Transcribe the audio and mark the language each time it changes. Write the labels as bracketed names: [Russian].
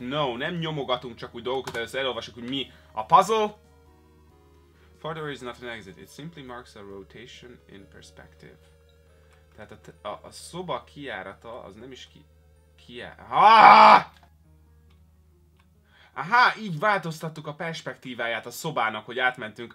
[Hungarian] No, nem nyomogatunk csak úgy dolgokat, először elolvasok, hogy mi a puzzle. [English] Further is not an exit, it simply marks a rotation in perspective. [Hungarian] Tehát a szoba kiárata az nem is kiárata. Aha, így változtattuk a perspektíváját a szobának, hogy átmentünk.